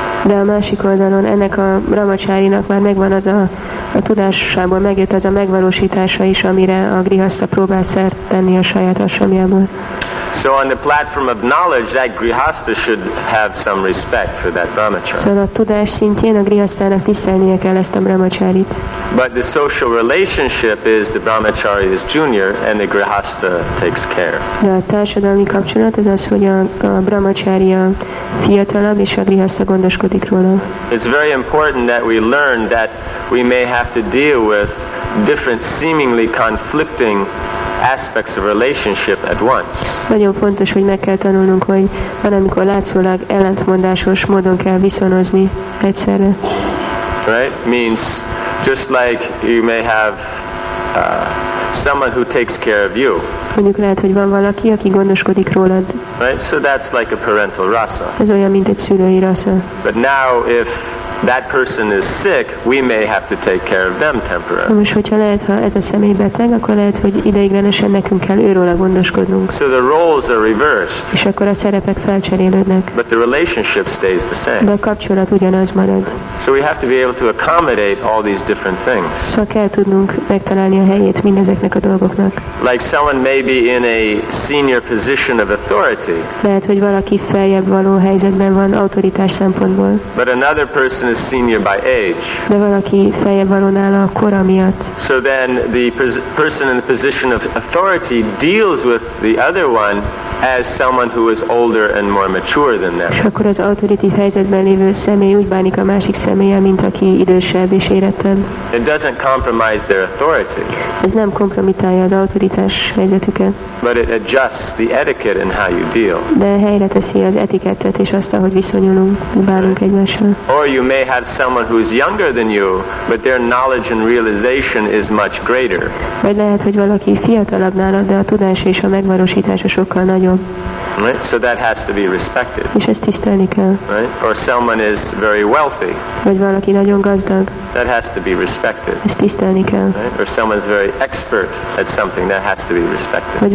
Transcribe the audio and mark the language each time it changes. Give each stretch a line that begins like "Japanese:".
Hungarian: De a másik oldalon ennek a brahmacharinak már megvan az a tudásából megjött az a megvalósítása is, amire a grihastha próbál szert tenni a saját ashramjából.
English: So on the platform of knowledge, that grihasta should have some respect for that brahmacharya.
Hungarian: Szóval a tudás szintjén a grihasztának tisztelnie kell ezt a brahmacharit.
English: But the social relationship is the brahmachari is junior and the grihasta takes care.
Hungarian: De a társadalmi kapcsolat az az, hogy a brahmachari a fiatalabb és a grihasta gondoskodik róla.
English: It's very important that we learn that we may have to deal with different seemingly conflicting aspects of relationship at once.
Hungarian: Nagyon fontos, hogy meg kell tanulnunk, hogy van, amikor látszólag ellentmondásos módon kell viszonozni egyszerre.
English: Right? Means just like you may have someone who takes care of you.
Hungarian: Mondjuk lehet, hogy van valaki, aki gondoskodik rólad.
English: Right? So that's like a parental rasa.
Hungarian: Ez olyan, mint egy szülői rasa.
English: But now if that person is sick, we may have to take care of them temporarily.
Hungarian: Most, hogyha lehet, ha ez a személy beteg, akkor lehet, hogy ideiglenesen nekünk kell őróla gondoskodnunk.
English: So the roles are reversed.
Hungarian: És akkor a szerepek felcserélődnek.
English: But the relationship stays the same.
Hungarian: De a kapcsolat ugyanaz marad.
English: So we have to be able to accommodate all these different things.
Hungarian: Szóval kell tudnunk megtalálni a helyét mindezeknek a dolgoknak.
English: Like someone may be in a senior position of authority.
Hungarian: Lehet, hogy valaki feljebb való helyzetben van autoritás szempontból.
English: But another person is senior by age.
Hungarian: De valaki feljebb való nála a kora miatt.
English: So then the person in the position of authority deals with the other one as someone who is older and more mature than them.
Hungarian: És akkor az autoritív helyzetben lévő személy úgy bánik a másik személlyel, mint aki idősebb és érettebb.
English: It doesn't compromise their authority.
Hungarian: Ez nem kompromitálja az autoritás helyzetüket.
English: But it adjusts the etiquette in how you deal.
Hungarian: De helyre teszi az etikettet és azt, ahogy viszonyulunk, bánunk egymással.
English: You may have someone who's younger than you, but their knowledge and realization is much greater.
Hungarian: Vagy lehet, hogy valaki fiatalabb nálad, de a tudás és a megvalósítása sokkal nagyobb.
English: Right? So that has to be respected.
Hungarian: És ezt tisztelni kell.
English: Right? Or someone is very wealthy.
Hungarian: Vagy valaki nagyon gazdag.
English: That has to be respected.
Hungarian: Ezt tisztelni kell.
English: Right? Or someone is very expert at something. That has to be respected.